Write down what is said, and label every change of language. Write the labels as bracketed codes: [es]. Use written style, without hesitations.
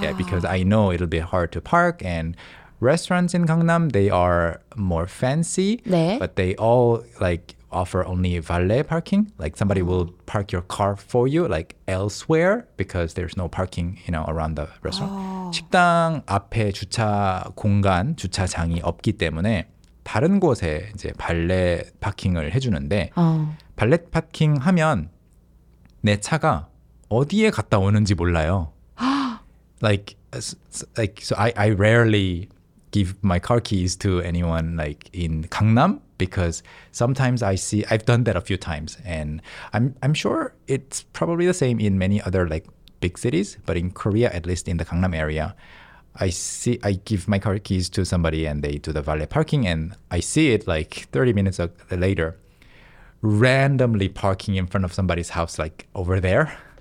[en] Yeah, because I know it'll be hard to park and restaurants in Gangnam, they are more fancy, [ko] 네. [en] but they all like offer only valet parking. Like somebody will park your car for you like elsewhere because there's no parking, you know, around the restaurant. [ko] 식당 앞에 주차 공간, 주차장이 없기 때문에 다른 곳에 이제 발렛 파킹을 해주는데 발렛 파킹 하면 내 차가 어디에 갔다 오는지 몰라요. [en] So I rarely give my car keys to anyone like in Gangnam because sometimes I've done that a few times and I'm sure it's probably the same in many other like big cities, but in Korea, at least in the Gangnam area, I give my car keys to somebody and they do the valet parking and I see it like 30 minutes later randomly parking in front of somebody's house like over there.